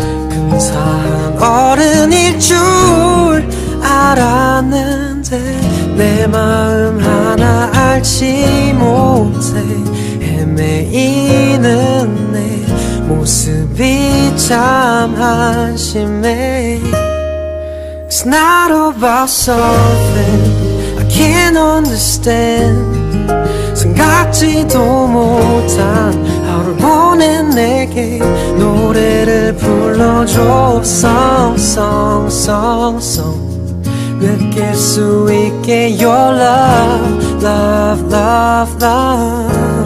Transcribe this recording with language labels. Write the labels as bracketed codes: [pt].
[ko] 근사한 어른일 줄 알았는데 내 마음 하나 알지 못해 헤매이는 내 모습이 참 한심해. [en] It's not about something I can't understand. [ko] 생각지도 못한 하루를 보낸 내게 노래를 불러줘. [en] Song, song, song, song. [ko] 느낄 수 있게 [en] Your love, love, love, love.